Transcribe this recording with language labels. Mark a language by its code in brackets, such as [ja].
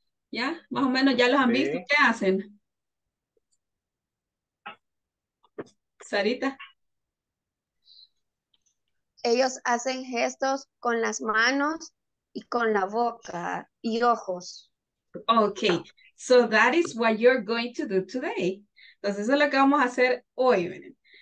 [es] Yeah, más o menos ya los han visto. ¿Qué hacen? Sarita. Ellos hacen gestos con las manos y con la boca y ojos. [en] Okay, so that is what you're going to do today. [es] Entonces eso es lo que vamos a hacer hoy.